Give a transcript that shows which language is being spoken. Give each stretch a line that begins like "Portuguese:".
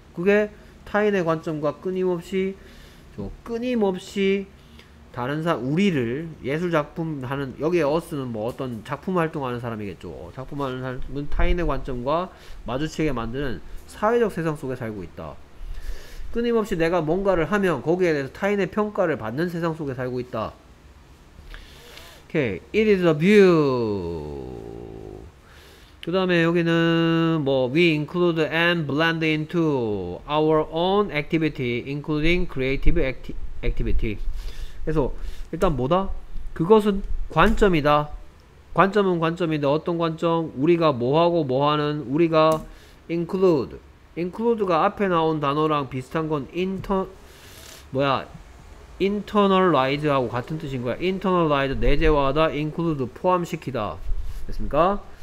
Korean: 그게 타인의 관점과 끊임없이 다른 사람, 우리를 예술 작품 하는 여기에 어스는 뭐 어떤 작품 활동하는 사람이겠죠. 작품하는 사람은 타인의 관점과 마주치게 만드는 사회적 세상 속에 살고 있다. 끊임없이 내가 뭔가를 하면 거기에 대해서 타인의 평가를 받는 세상 속에 살고 있다.
English: Okay. It is a view.
Korean: 그 다음에 여기는 뭐
English: we include and blend into our own activity including creative activity.
Korean: 그래서 일단 뭐다? 그것은 관점이다. 관점은 관점인데 어떤 관점? 우리가 뭐하고 뭐하는 우리가 include. include가 앞에 나온 단어랑 비슷한 건 internalize하고 같은 뜻인 거야. internalize, 내재화하다, include, 포함시키다. 됐습니까?